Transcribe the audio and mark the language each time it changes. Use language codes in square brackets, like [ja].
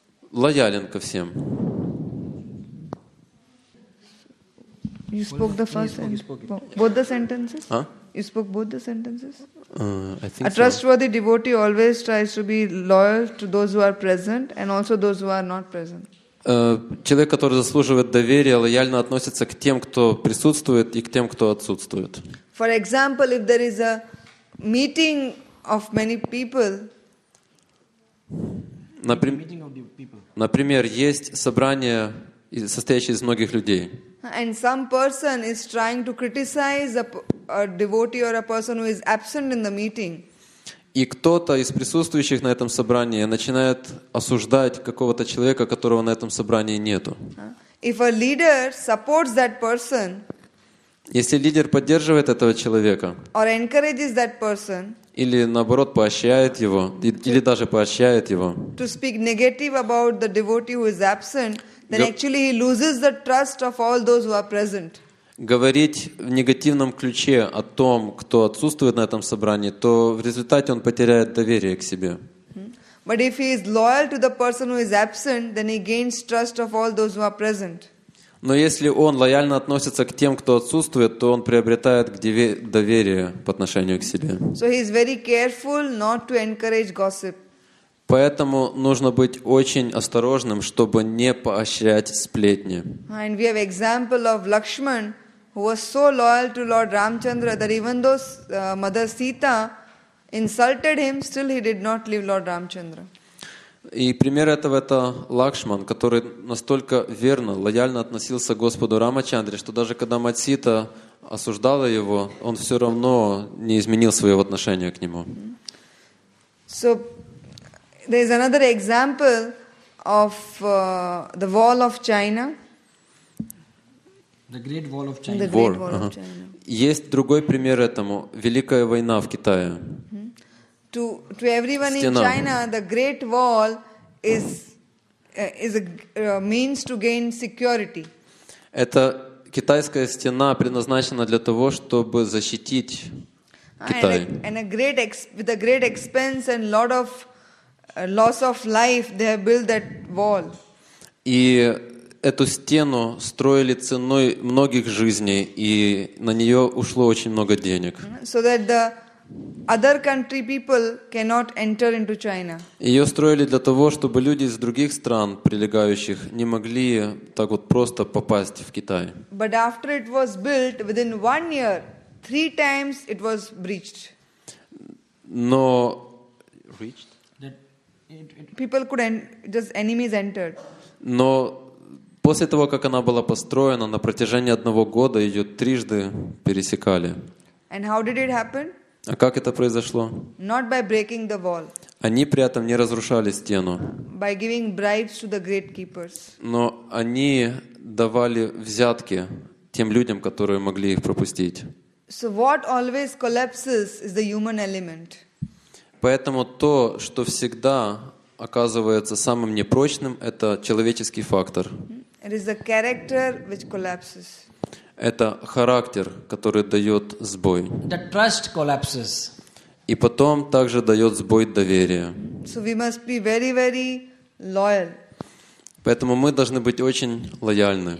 [ru] Лоялен ко всем. [en] You spoke the first sentence. Both the sentences? Huh? You spoke both the sentences? I think so. A trustworthy devotee always tries to be loyal to those who are present and also those who are not present. [ru] Человек, который заслуживает доверия, лояльно относится к тем, кто присутствует и к тем, кто отсутствует. [en] For example, if there is a meeting of many people, [ru] Например, есть собрание, состоящее из многих людей. [en] And some person is trying to criticize a devotee or a person who is absent in the meeting. [ru] И кто-то из присутствующих на этом собрании начинает осуждать какого-то человека, которого на этом собрании нету. [en] If a leader supports that person, [ru] если лидер поддерживает этого человека, [en] or encourages that person, [ru] или наоборот поощряет его, или даже поощряет его, [en] to speak negative about the devotee who is absent, then actually he loses the trust of all those who are present. [ru] Говорить в негативном ключе о том, кто отсутствует на этом собрании, то в результате он потеряет доверие к себе. [en] But if he is loyal to the person who is absent, then he gains trust of all those who are present. [ru] Но если он лояльно относится к тем, кто отсутствует, то он приобретает доверие по отношению к себе. [en] So he is very careful not to encourage gossip. [ru] Поэтому нужно быть очень осторожным, чтобы не поощрять сплетни. [en] And we have example of Lakshman, who was so loyal to Lord Ramchandra that even though Mother Sita insulted him, still he did not leave Lord Ramchandra. [ru] И пример этого — это Лакшман, который настолько верно, лояльно относился к Господу Рамачандре, что даже когда Мать Сита осуждала его, он все равно не изменил своего отношения к нему. [en] So, there is another example of the Wall of China. The Great Wall of China. The Great Wall of China. [ru] Есть другой пример этому. Великая война в Китае. [en] To everyone [ru] Стена. [en] In China, the Great Wall is is a means to gain security. [ru] Это китайская стена предназначена для того, чтобы защитить Китай. [en] With a great expense and lot of loss of life, they have built that wall. [ru] И эту стену строили ценой многих жизней, и на нее ушло очень много денег. [en] So that the other country people cannot enter into China. [ru] Ее строили для того, чтобы люди из других стран, прилегающих, не могли так вот просто попасть в Китай. [en] But after it was built, within 1 year, 3 times it was breached. [ru] Но [en] people could just enemies entered. [ru] Но после того, как она была построена, на протяжении 1 года ее 3 раза пересекали. [en] And how did it happen? [ru] А как это произошло? [en] Not by breaking the wall. [ru] Они при этом не разрушали стену. [en] By giving bribes to the great keepers. [ru] Но они давали взятки тем людям, которые могли их пропустить. [en] So what always collapses is the human element. [ru] Поэтому то, что всегда оказывается самым непрочным, это человеческий фактор. [en] It is the character which collapses. [ru] Это характер, который дает сбой. [en] The trust collapses. [ru] И потом также дает сбой доверие. [en] So we must be very, very loyal. [ru] Поэтому мы должны быть очень лояльны.